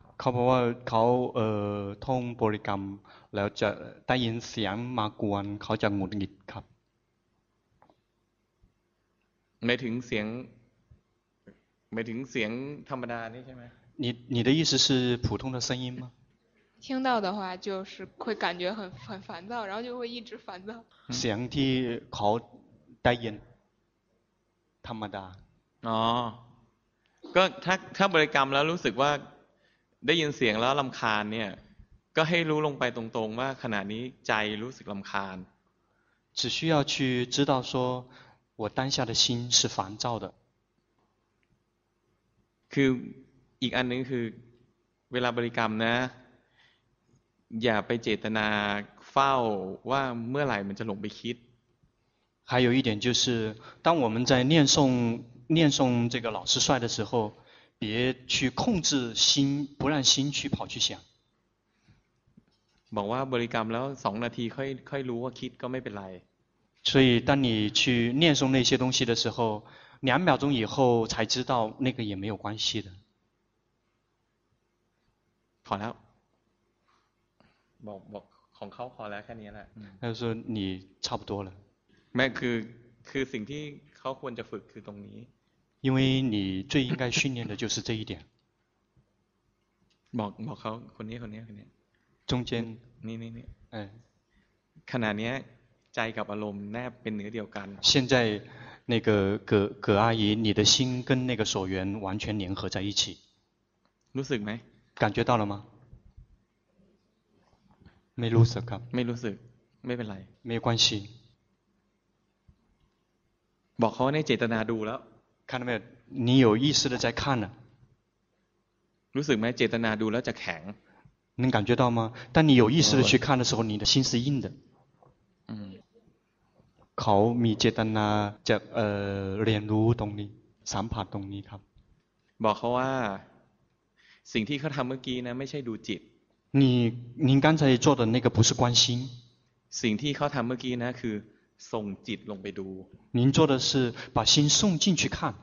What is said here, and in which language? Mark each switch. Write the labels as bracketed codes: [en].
[th] เขาบอกว่าเขาท่องบริกรรมแล้วจะได้ยินเสียงมากวนเขาจะหงุดหงิดครับ ไม่ถึงเสียงไม่ถึงเสียงธรรมดานี่ใช่ไหม [zh] 你的意思是普通的声音吗？听到的话就是会感觉很烦躁，然后就会一直烦躁。 [th] เสียงที่เขาได้ยินธรรมดา อ๋อก็ถ้าบริกรรมแล้วรู้สึกว่าได้ยินเสียงแล้วรำคาญเนี่ยก็ให้รู้ลงไปตรงๆว่าขณะนี้ใจรู้สึกรำคาญ [zh] 只需要去知道说我当下的心是烦躁的 [th] คืออีกอันนึงคือเวลาบริกรรมนะอย่าไปเจตนาเฝ้าว่าเมื่อไหร่มันจะหลงไปคิด [zh] 还有一点就是当我们在念诵这个老师帅的时候，别去控制心，不让心去跑去想。 [th] บอกว่าบริกรรมแล้วสองนาทีค่อยรู้ว่าคิดก็ไม่เป็นไร。 [zh] 所以当你去念诵那些东西的时候，两秒钟以后才知道那个也没有关系的。 [th] พอแล้ว。 บอกของเขาพอแล้วแค่นี้แหละ。 [zh] 他就说你差不多了。 [th] ไม่คือสิ่งที่เขาควรจะฝึกคือตรงนี้ [zh] 因为你最应该训练的就是这一点 [th] บอกเขาคนนี้ [zh] 中间 [th] นี่ขณะนี้ใจกับอารมณ์แนบเป็นเนื้อเดียวกัน [zh] 现在那个葛阿姨你的心跟那个所缘完全联合在一起 [th] รู้สึกไหม [zh] 感觉到了吗 [th] ไม่รู้สึกครับ ไม่รู้สึกไม่เป็นไร [zh] 没关系 [th] บอกเขาในเจตนาดูแล้ว คันไหม [zh] 你有意识的在看呢 [th] รู้สึกไหมเจตนาดูแล้วจะแข็ง [zh] 能感觉到吗当你有意识的去看的时候你的心是硬的 [th] เขามีเจตนาจะเรียนรู้ตรงนี้สัมผัสตรงนี้ครับ บอกเขาว่าสิ่งที่เขาทำเมื่อกี้นะไม่ใช่ดูจิต [zh] 您刚才做的那个不是关心 [th] สิ่งที่เขาทำเมื่อกี้นะคือส่งจิตลงไปดู [zh] 您做的是把心送进去看